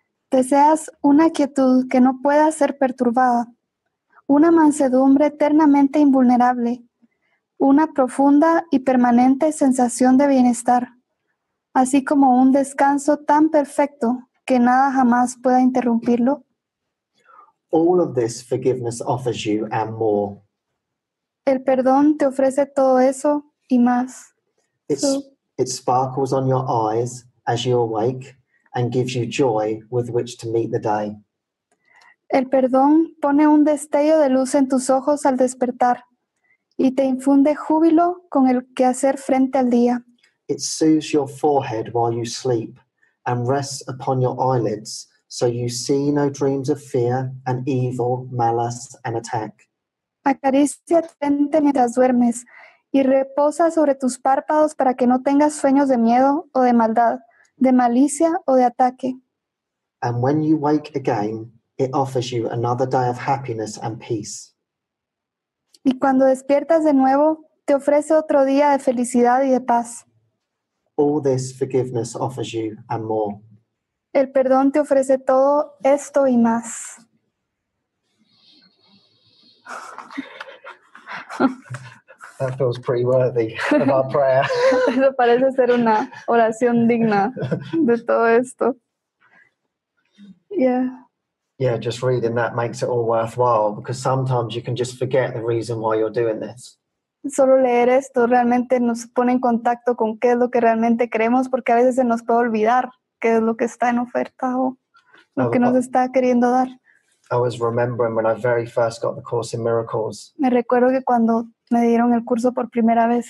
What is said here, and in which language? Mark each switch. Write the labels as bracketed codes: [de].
[es] ¿Deseas una quietud que no pueda ser perturbada, una mansedumbre eternamente invulnerable, una profunda y permanente sensación de bienestar, así como un descanso tan perfecto que nada jamás pueda interrumpirlo? [en] All of this forgiveness offers you and more. [es] El perdón te ofrece todo eso y más. [en] It sparkles on your eyes as you awake and gives you joy with which to meet the day. [es] El perdón pone un destello de luz en tus ojos al despertar y te infunde júbilo con el que hacer frente al día. [en] It soothes your forehead while you sleep and rests upon your eyelids so you see no dreams of fear and evil, malice and attack. [es] Acaricia tu frente mientras duermes y reposa sobre tus párpados para que no tengas sueños de miedo o de maldad, de malicia o de ataque. [en] And when you wake again, it offers you another day of happiness and peace. [es] Y cuando despiertas de nuevo, te ofrece otro día de felicidad y de paz. [en] All this forgiveness offers you and more. [es] El perdón te ofrece todo esto y más. [en] That feels pretty worthy of our prayer. [es] Eso parece ser una oración digna de todo esto. Yeah. [en] Yeah, just reading that makes it all worthwhile, because sometimes you can just forget the reason why you're doing this. [es] Solo leer esto realmente nos pone en contacto con qué es lo que realmente queremos, porque a veces se nos puede olvidar qué es lo que está en oferta o lo que nos está queriendo dar. [en] I was remembering when I very first got the course in miracles. [es] Me recuerdo que cuando me dieron el curso por primera vez.